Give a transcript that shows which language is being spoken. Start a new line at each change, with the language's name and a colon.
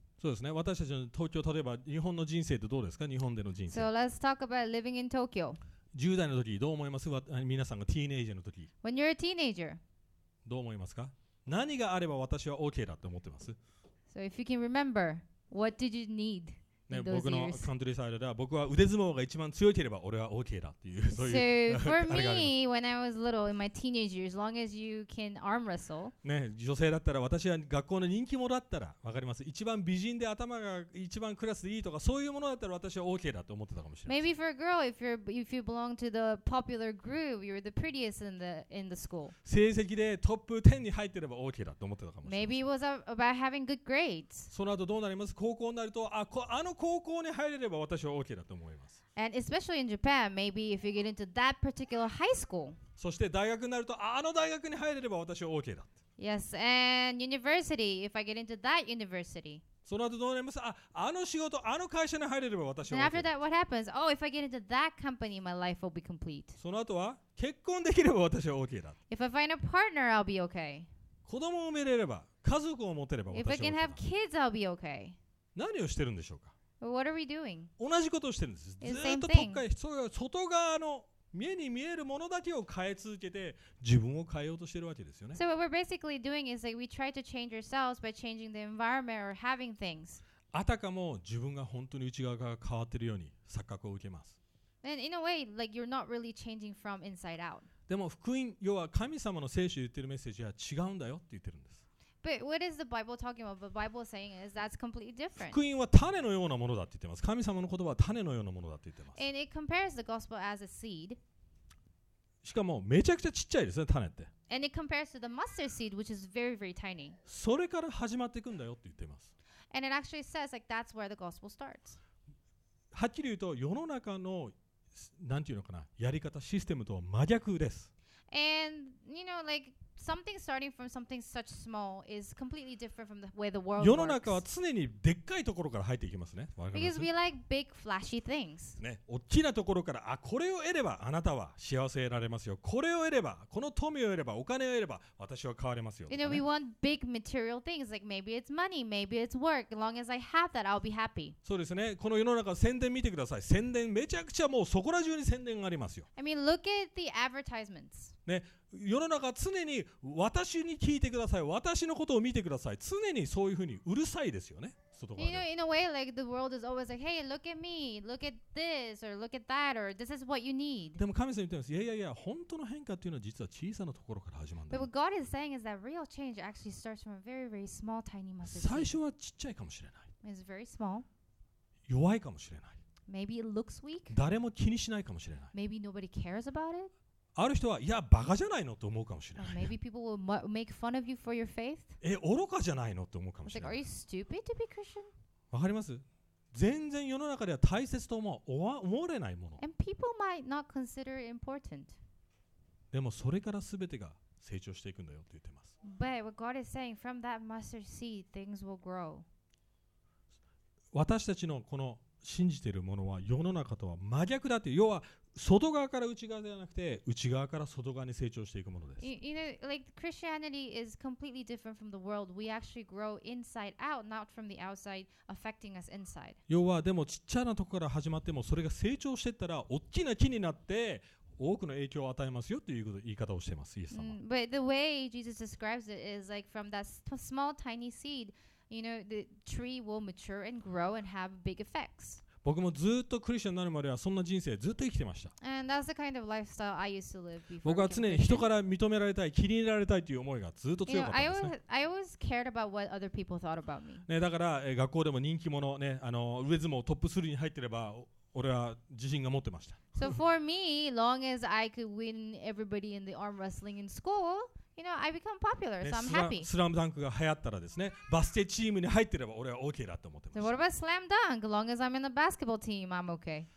Japanese: そうですね、私たちの東京、例えば日本の人生ってどうですか、日本での人生。
English: So let's talk about living in Tokyo.
Japanese: 10代の時どう思います、皆さんがティーネイジャーの時。
English: When you're a teenager.
Japanese: どう思いますか、何があれば私は OK だって思ってます。
English: So if you can remember, what did you need
Japanese: ね、僕のカントリーサイドでは僕は腕相撲が一番強ければ俺は OK だっていう、そういう、
English: so、for me, when I was little, in my teenage years, as long as you can arm wrestle、
Japanese: ね、女性だったら私は学校の人気者だったら分かります、一番美人で頭が一番クラスでいいとかそういうものだったら私は OK だと思ってたかもしれない。
English: Maybe for a girl, if you belong to the popular group, you're the prettiest in the school.
Japanese: 成績でトップ10に入ってれば OK だと思ってたかもしれない。
English: Maybe it was about having good grades.
Japanese: その後どうなります？高校になると、あ、こ、あの高校に入れれば私は OK だと思います。
English: And especially in Japan, maybe if you get into that particular high school.
Japanese: そして大学になると、あの大学に入れれば私は OK だ。
English: Yes, and university, if I get into that university.
Japanese: その後どうなります？あ、あの仕事、あの会社に入れれば私は OK だ。
English: And after that, what happens? Oh, if I get into that company, my life will be complete.
Japanese: その後は結婚できれば私は OK だ。
English: If I find a partner, I'll be OK.
Japanese: 子供を産めれれば、家族を持てれば私は OK だ。
English: If I can have kids, I'll be OK.
Japanese: 何をしてるんでしょうか。
English: What are we doing?
Japanese: 同じことをしてるんです。ずっと特化して、外側の目に見えるものだけを変え続けて、自分を変えようとしてるわけですよね。
English: So what we're basically doing is like we try to change ourselves by changing the environment or having things.
Japanese: あたかも自分が本当に内側が変わってるように錯覚を受けます。
English: And in a way, like you're not really changing from inside out.
Japanese: でも福音、要は神様の聖書言ってるメッセージは違うんだよって言ってるんです。
English: But what is the Bible talking about? The Bible is saying is that's completely different.
Japanese: 福音は種のようなものだって言ってます。神様の言葉は種のようなものだって言ってます。
English: And it compares the gospel as a seed.
Japanese: しかもめちゃくちゃちっちゃいですね、種って。
English: And it compares to the mustard seed, which is very, very tiny.
Japanese: それから始まっていくんだよって言ってます。
English: And it actually says like that's where the gospel starts.
Japanese: はっきり言うと世の中のなんていうのかな、やり方、システムとは真逆です。
English: And you know like. Something starting from something such small is completely different from the way the world
Japanese: 世の中は常にでっかいところから入っていきますね。
English: Because we like big flashy things.
Japanese: ね、大きなところから、あ、これを得ればあなたは幸せ得られますよ。これを得れば、この富を得れば、お金を得れば、私は変われますよ。
English: You know, we want big material things, like maybe it's money, maybe it's work. As long as I have that, I'll be happy.
Japanese: そうですね。この世の中、宣伝見てください。宣伝、めちゃくちゃもうそこら中に宣伝がありますよ。
English: I mean, look at the advertisements.
Japanese: ね、世の中常に私に聞いてください、私のことを見てください、常にそういうふうにうるさいですよね、外側で。
English: You know, in a way, like, the world is always like, hey, look at me, look at this, or look at that, or this is what you need.
Japanese: でも神様言ってます、いやいやいや、本当の変化っていうのは実は小さなところから始まるんだ。
English: But what God is saying is that real change actually starts from a very, very small, tiny mustard seed.
Japanese: 最初はちっちゃいかもしれない。
English: It's very small.
Japanese: 弱いかもしれない。
English: Maybe it looks weak.
Japanese: 誰も気にしないかもしれない。
English: Maybe nobody cares about it.
Japanese: ある人は、いや、バカじゃないのと思うかもしれない。
English: Maybe people will make fun of you for your faith.
Japanese: え、愚かじゃないのと思うかもしれない。
English: Like, are you stupid to be Christian?
Japanese: わかります？全然世の中では大切と思われないもの。
English: And people might not consider it important.
Japanese: でもそれからすべてが成長していくんだよって言ってます。
English: But what God is saying, from that mustard seed, things will grow.
Japanese: 私たちのこの信じているものは世の中とは真逆だって、要は外側から内側ではなくて、内側から外側に成長していくものです。
English: You know, like Christianity is completely different from the world. We actually grow inside out, not from the outside affecting us inside.
Japanese: 要はでもちっちゃなとこから始まっても、それが成長していったら大きな木になって多くの影響を与えますよという言い方をしています、イエス様。
English: But the way Jesus describes it is like from that small tiny seed, you know, the tree will mature and grow and have big effects.
Japanese: 僕もずっとクリスチャンになるまではそんな人生ずっと生きてました。
English: And that's the kind of lifestyle I used to live before.
Japanese: 僕は常に人から認められたい、気に入られたいという思いがずっと強かったんですね。
English: You know, I always cared about what other people thought about me.
Japanese: ね、だから、学校でも人気者、ね、上相撲トップ3に入ってれば、俺は自信が持ってました。
English: So for me, long as I could win everybody in the arm wrestling in school,You know, I become popular, so I'm happy.
Japanese: スラムダンクが流行ったらですね、バスケチームに入ってれば俺は OK だと思ってます。
English: So what about slam dunk? As long as I'm in the basketball team, I'm okay.